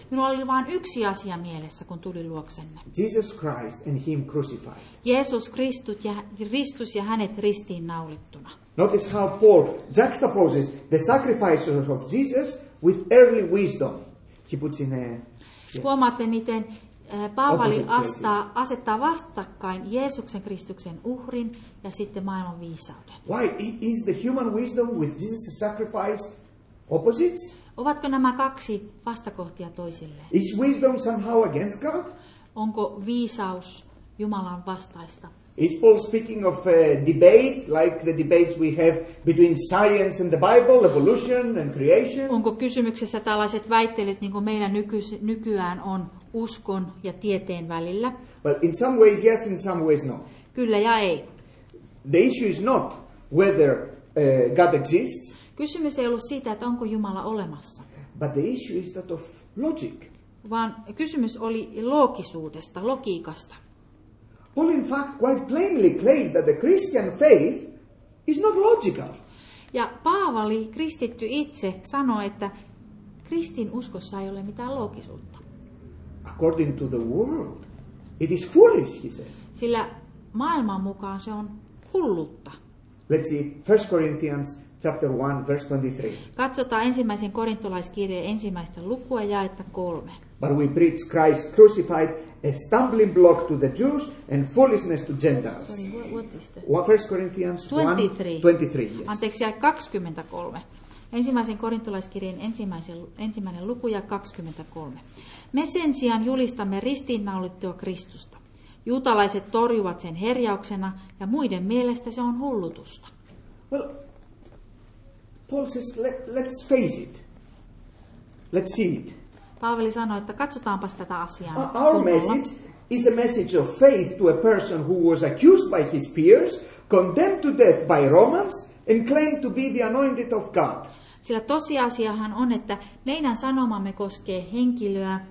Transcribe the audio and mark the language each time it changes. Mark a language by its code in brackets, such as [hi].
[fi] Minulla oli vain yksi asia mielessä, kun tulin luoksenne. [en] Jesus Christ and him crucified. [fi] Jeesus Kristus ja hänet ristiin naulittuna. [en] Notice how Paul juxtaposes the sacrifices of Jesus with early wisdom. He puts in a, [fi] huomaatte, miten Paavali asettaa vastakkain Jeesuksen Kristuksen uhrin ja sitten maailman viisauden. [en] Why is the human wisdom with Jesus' sacrifice opposites? [fi] Ovatko nämä kaksi vastakohtia toisilleen? [en] Is wisdom somehow against God? [fi] Onko viisaus Jumalan vastaista? [en] Is Paul speaking of a debate like the debates we have between science and the Bible, evolution and creation? [fi] Onko kysymyksessä tällaiset väittelyt, niin kuin meillä nykyään on uskon ja tieteen välillä? [en] Well, in some ways yes, in some ways no. [fi] Kyllä ja ei. [en] The issue is not whether God exists. [fi] Kysymys ei ollut siitä, että onko Jumala olemassa. [en] But the issue is that of logic. [fi] Vaan kysymys oli loogisuudesta, logiikasta. [en] Paul in fact quite plainly claims that the Christian faith is not logical. [fi] Ja Paavali, kristitty itse, sanoi, että kristin uskossa ei ole mitään loogisuutta. [en] According to the world, it is foolish, he says. [fi] Sillä maailman mukaan se on hullutta. [en] Let's see 1 Corinthians chapter 1 verse 23. [fi] Katsotaan ensimmäisen korintolaiskirjeen ensimmäistä lukua jaetta 3. [en] But we preach Christ crucified, a stumbling block to the Jews and foolishness to Gentiles. Sorry, what is 1 Corinthians 23. Yes. [fi] Anteeksi, 23. Ensimmäisen korintolaiskirjeen ensimmäinen luku ja 23. Me sen sijaan julistamme ristiinnaulittua Kristusta. Juutalaiset torjuvat sen herjauksena ja muiden mielestä se on hullutusta. [en] Well, Paul says, let's face it. Let's see it. [fi] Paavali sanoi, että katsotaanpas tätä asiaa. [en] Our message is a message of faith to a person who was accused by his peers, condemned to death by Romans, and claimed to be the anointed of God. [fi] Sillä tosiasiahan on, että meidän sanomamme koskee henkilöä.